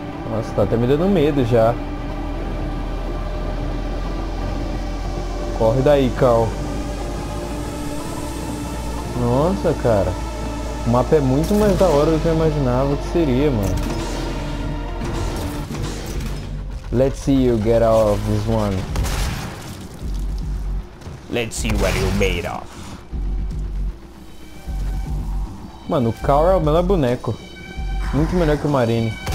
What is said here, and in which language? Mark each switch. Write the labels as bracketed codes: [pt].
[pt] Nossa, tá até me dando medo já. Corre daí, Carl. Nossa, cara. O mapa é muito mais da hora do que eu imaginava que seria, mano. [en] Let's see you get out of this one. Let's see what you're made of. [pt] Mano, o Carl é o melhor boneco. Muito melhor que o Marine.